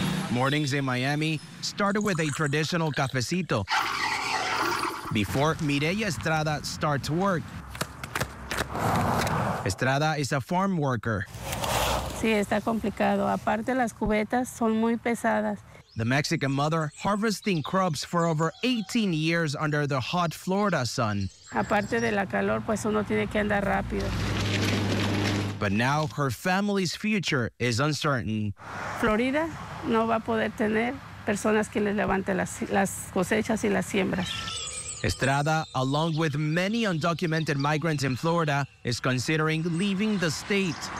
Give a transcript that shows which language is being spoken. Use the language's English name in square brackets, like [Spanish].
[English] Mornings in Miami started with a traditional cafecito before Mireya Estrada starts work. Estrada is a farm worker. [Spanish] Sí, está complicado. Aparte, las cubetas son muy pesadas. [English] The Mexican mother harvesting crops for over 18 years under the hot Florida sun. [Spanish] Aparte de la calor, pues uno tiene que andar rápido. [English] But now her family's future is uncertain. [Spanish] Florida no va a poder tener personas que les levanten las cosechas y las siembras. [English] Estrada, along with many undocumented migrants in Florida, is considering leaving the state.